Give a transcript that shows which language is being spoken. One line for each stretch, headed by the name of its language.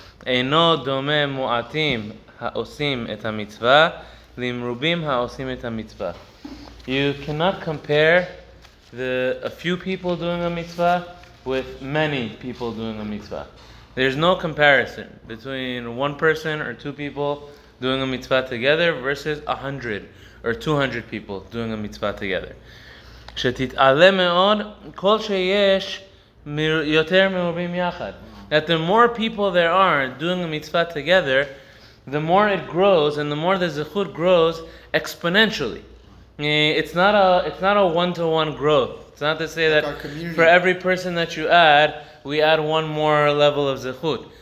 Hebrew: אינו דומה מועטים העושים את המצווה, למרובים העושים את המצווה.
English: You cannot compare a few people doing a mitzvah with many people doing a mitzvah. There's no comparison between one person or two people doing a mitzvah together versus 100 or 200 people doing a mitzvah together.
Hebrew: שתתעלה מאוד כל שיש יותר מרובים יחד.
English: That the more people there are doing a mitzvah together, the more it grows and the more the zechut grows exponentially. It's not a one-to-one growth. It's not to say that for every person that you add, we add one more level of zechut.